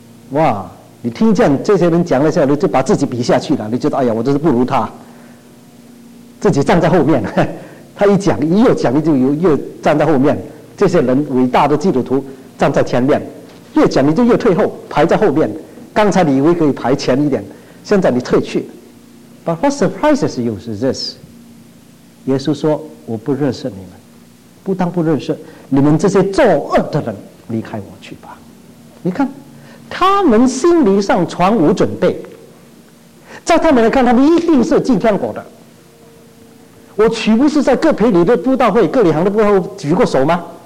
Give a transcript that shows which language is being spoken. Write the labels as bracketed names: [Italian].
[Chinese] 哇，你听见这些人讲了下来，就把自己比下去了，你觉得哎呀，我真是不如他，自己站在后面。他一讲，一越讲就越站在后面。这些人伟大的基督徒站在前面，越讲你就越退后，排在后面。刚才你以为可以排前一点，现在你退去。 [English] But what surprises you is this? [Chinese] 耶稣说我不认识你们，不当不认识你们这些作恶的人，离开我去吧。你看他们心理上全无准备，在他们来看他们一定是进天国的。我岂不是在各培里的布道会、各里行的布道会举过手吗？